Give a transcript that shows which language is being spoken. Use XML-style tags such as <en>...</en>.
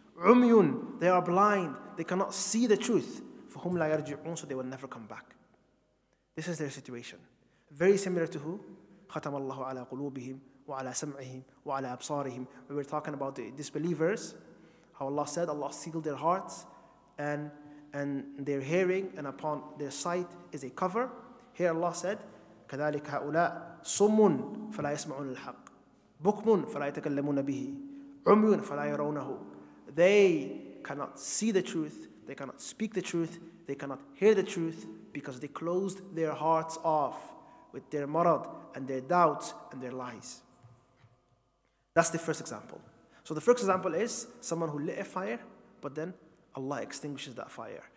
<en>Umyun, they are blind. They cannot see the truth.</en> <ar>Fahum la yarji'un,</ar> <en>so they will never come back. This is their situation. Very similar to who?</en> <ar>خَتَمَ اللَّهُ عَلَىٰ قُلُوبِهِمْ وَعَلَىٰ سَمْعِهِمْ وَعَلَىٰ أَبْصَارِهِمْ.</ar> <en>When we're talking about the disbelievers, how Allah said, Allah sealed their hearts and their hearing, and upon their sight is a cover. Here Allah said,</en> <ar>كَذَلِكَ هَؤُلَىٰ صُمٌ فَلَا يَسْمَعُونَ الْحَقِّ بُكْمٌ فَلَا يَتَكَلَّمُونَ بِهِ عُمْيٌ فَلَا يَرَوْنَهُ.</ar> <en>They cannot see the truth, they cannot speak the truth, they cannot hear the truth, because they closed their hearts off with their marad and their doubts and their lies. That's the first example. So the first example is someone who lit a fire, but then Allah extinguishes that fire.</en>